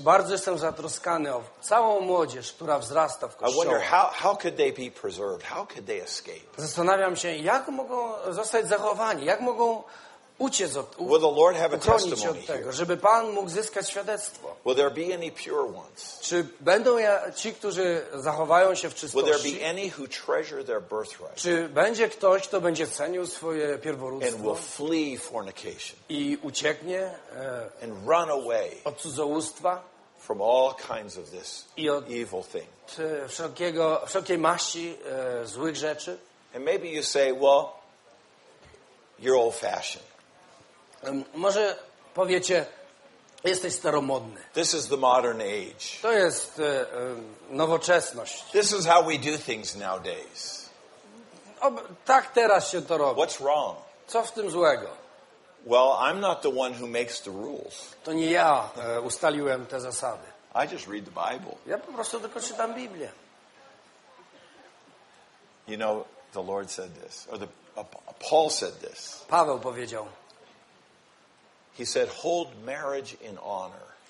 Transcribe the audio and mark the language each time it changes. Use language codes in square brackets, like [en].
[pl] Bardzo jestem zatroskany o całą młodzież, która wzrasta w kościołach. [en] I wonder how could they be preserved? How could they escape? [pl] Zastanawiam się, jak mogą zostać zachowani? Jak mogą uciec od tego? [en] Will the Lord have a testimony [pl] od tego, żeby Pan mógł zyskać świadectwo? [en] Will there be any pure ones? [pl] Czy będą ci, którzy zachowają się w czystości? [en] Will there be any who treasure their birthright? [pl] Czy będzie ktoś, kto będzie cenił swoje pierworództwo? [en] And will flee fornication. [pl] I ucieknie [en] and run away [pl] od cudzołóstwa [en] from all kinds of this [pl] i od [en] evil thing. [pl] Wszelkiej maści złych rzeczy? [en] And maybe you say, well, you're old fashioned. [pl] Może powiecie, jesteś staromodny. [en] This is the modern age. [pl] To jest nowoczesność. [en] This is how we do things nowadays. [pl] Tak teraz się to robi. [en] What's wrong? [pl] Co w tym złego? [en] Well, I'm not the one who makes the rules. [pl] To nie ja ustaliłem te zasady. [en] I just read the Bible. [pl] Ja po prostu tylko czytam Biblię. [en] You know, the Lord said this, or the Paul said this. [pl] Paweł powiedział. [en] He said, "Hold marriage in honor."